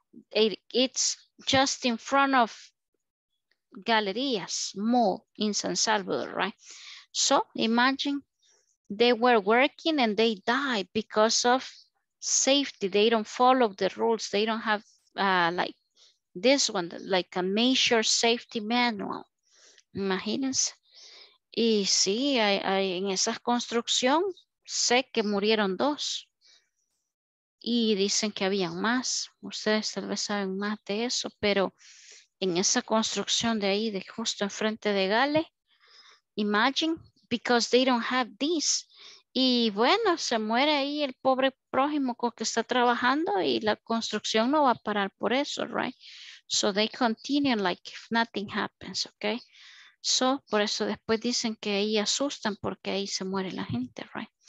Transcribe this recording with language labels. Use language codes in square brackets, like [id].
[en] It's just in front of galerias, mall in San Salvador, right? So imagine they were working and they died because of safety. They don't follow the rules. They don't have like this one, like a major safety manual. [es] Imagínense. Y sí, hay en esa construcción sé que murieron 2 y dicen que habían más. Ustedes tal vez saben más de eso, pero en esa construcción de ahí, de justo enfrente de Gale, [en] imagine, because they don't have this. [es] Y bueno, se muere ahí el pobre prójimo con que está trabajando y la construcción no va a parar por eso, right? [en] So they continue like if nothing happens, okay? [es] So, por eso después dicen que ahí asustan porque ahí se muere la gente, right?